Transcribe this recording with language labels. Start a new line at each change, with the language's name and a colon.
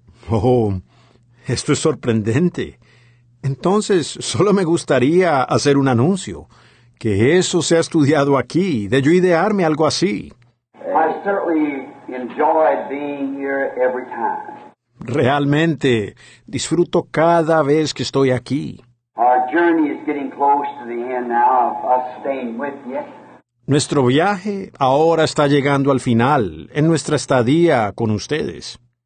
Spanish: Oh, esto es sorprendente. Entonces, solo me gustaría hacer un anuncio, que eso se ha estudiado aquí, de yo idearme algo así.
English: I certainly enjoyed being here every time.
Spanish: Realmente, disfruto cada vez que estoy aquí.
English: Our journey is getting close to the end now of us staying with you.
Spanish: Nuestro viaje ahora está llegando al final, en nuestra estadía con ustedes.